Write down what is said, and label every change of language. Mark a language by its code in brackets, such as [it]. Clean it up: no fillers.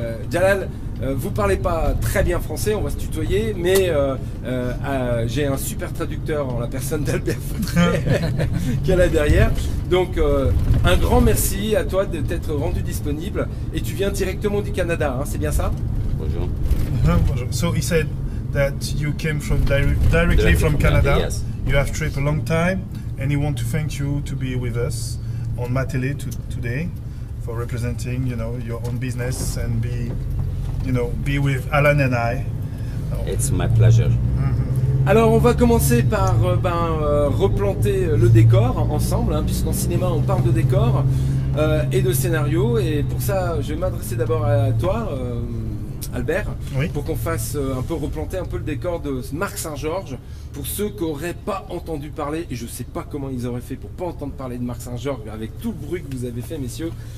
[fr] Jalal, vous parlez pas très bien français, on va se tutoyer, mais j'ai un super traducteur en la personne d'Albert Fautret qui est là derrière. Donc un grand merci à toi de t'être rendu disponible et tu viens directement du Canada, hein, c'est bien ça ? Bonjour. Bonjour. [en] So he said that you came from directly from Canada. Yes. You have trip a long time and he want to thank you to be with us on ma télé today for representing, you know, your own business and be, you know, be with Alan and I. It's my pleasure. [fr] Alors, on va commencer par replanter le décor ensemble, hein, puisqu'en cinéma, on parle de décor et de scénario. Et pour ça, je vais m'adresser d'abord à toi, Albert, oui. Pour qu'on fasse replanter un peu le décor de Marc Saint-Georges, pour ceux qui n'auraient pas entendu parler, et je ne sais pas comment ils auraient fait pour ne pas entendre parler de Marc Saint-Georges, avec tout le bruit que vous avez fait, messieurs.